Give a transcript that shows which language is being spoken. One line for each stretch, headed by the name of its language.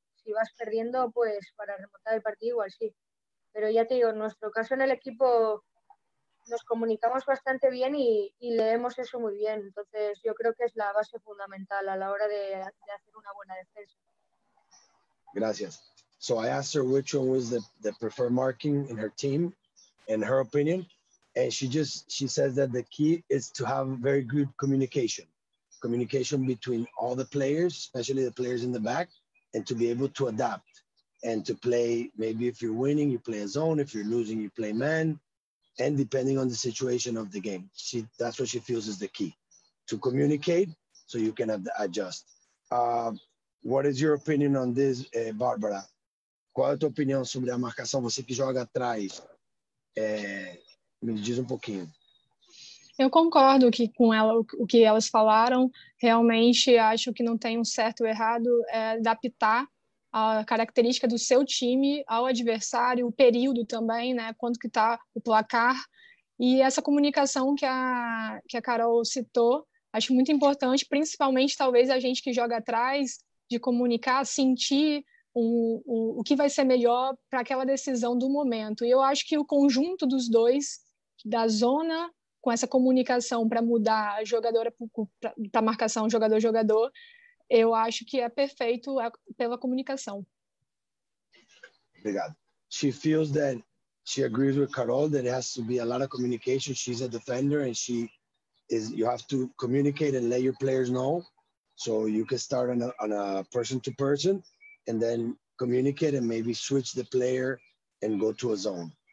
Spanish: Si vas perdiendo, pues para remontar el partido igual sí. Pero ya te digo, en nuestro caso en el equipo nos comunicamos bastante bien y leemos eso muy bien. Entonces yo creo que es la base fundamental a la hora de hacer una buena defensa. Gracias.
English: So I asked her which one was the preferred marking in her team, in her opinion. And she says that the key is to have very good communication. Communication between all the players, especially the players in the back. And to be able to adapt and to play, maybe if you're winning, you play a zone. If you're losing, you play man. And depending on the situation of the game, that's what she feels is the key, to communicate so you can adjust. What is your opinion on this, Barbara?
Portuguese: Qual é a tua opinião sobre a marcação? Você que joga atrás, me diz um pouquinho. Eu concordo que com ela, o que elas falaram, realmente acho que não tem um certo ou errado, é adaptar a característica do seu time ao adversário, o período também, né, quanto que está o placar, e essa comunicação que a Carol citou, acho muito importante, principalmente talvez a gente que joga atrás, de comunicar, sentir o que vai ser melhor para aquela decisão do momento, e eu acho que o conjunto dos dois, da zona, com essa comunicação para mudar a jogadora para marcação jogador-jogador, eu acho que é perfeito pela comunicação. Obrigado.
English: She feels that she agrees with Carol that it has to be a lot of communication. She's a defender and she is, you have to communicate and let your players know. So you can start on a person-to-person and then communicate and maybe switch the player and go to a zone.